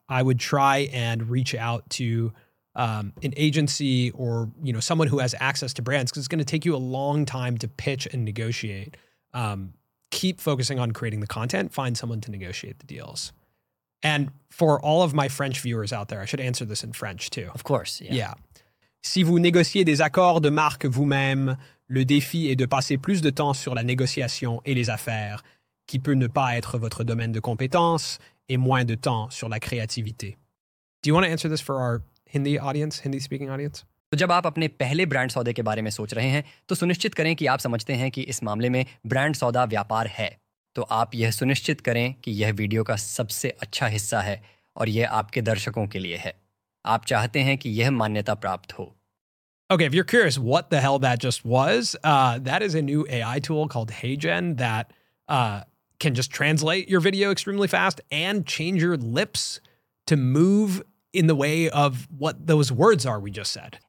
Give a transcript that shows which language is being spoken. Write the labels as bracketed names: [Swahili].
[English] I would try and reach out to an agency or, you know, someone who has access to brands, because it's going to take you a long time to pitch and negotiate. Keep focusing on creating the content, find someone to negotiate the deals. And for all of my French viewers out there, I should answer this in French too. Of course. Yeah. [French] Si vous négociez des accords de marque vous-même, le défi est de passer plus de temps sur la négociation et les affaires, qui peut ne pas être votre domaine de compétence, et moins de temps sur la créativité. [English] Do you want to answer this for our Hindi audience, Hindi speaking audience? [Hindi] तो जब आप अपने पहले brand सौदे के बारे में सोच रहे हैं तो सुनिश्चित करें कि आप समझते हैं कि इस मामले में ब्रांड सौदा व्यापार है तो आप यह सुनिश्चित करें कि यह वीडियो का सबसे अच्छा हिस्सा है और यह आपके दर्शकों के लिए है आप चाहते हैं कि यह मान्यता प्राप्त हो [English] Okay, if you're curious what the hell that just was, that is a new AI tool called HeyGen that can just translate your video extremely fast and change your lips to move in the way of what those words are we just said.